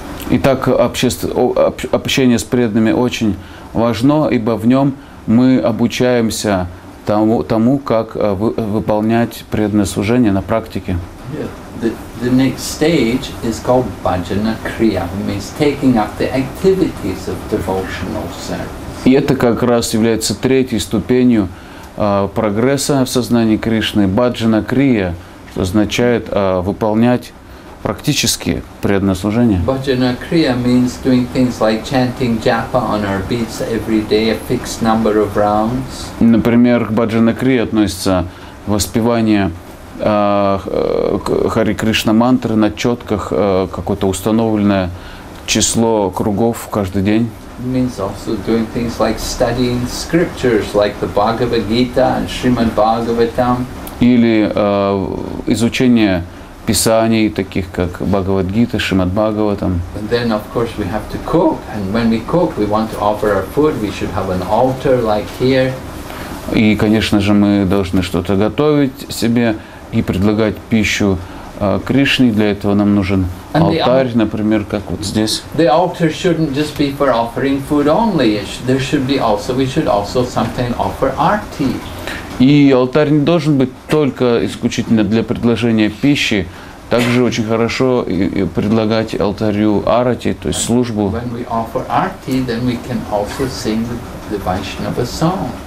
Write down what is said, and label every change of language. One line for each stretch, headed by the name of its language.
Russian: Итак, общение с преданными очень важно, ибо в нем мы обучаемся тому, как выполнять преданное служение на практике.
English: The next stage is called bhajana kriya, means taking up the activities of devotional service.
Russian: И это как раз является третьей ступенью прогресса в сознании Кришны. Бхаджана крия, что означает выполнять практически преданное служение.
English: Bhajana kriya means doing things like chanting japa on our beats every day, a fixed number of rounds.
Russian: Например, к бхаджана крия относится воспевание Хари Кришна мантры на четках, какое-то установленное число кругов каждый день.
English: Means also doing things like studying scriptures, like the Bhagavad Gita and Shrimad Bhagavatam.
Russian: Или изучение писаний, таких как Бхагавад Гита, Шримад Бхагаватам.
English: And then of course we have to cook, and when we cook we want to offer our food, we should have an altar like here.
Russian: И конечно же мы должны что-то готовить себе и предлагать пищу Кришне. Для этого нам нужен алтарь, например, как вот здесь.
English: The altar shouldn't just be for offering food only. There should be also, we should also sometimes offer arti.
Russian: И алтарь не должен быть только исключительно для предложения пищи. Также очень хорошо предлагать алтарю арати, то есть службу.
English: When we offer arti, then we can also sing the Vaishnava songs.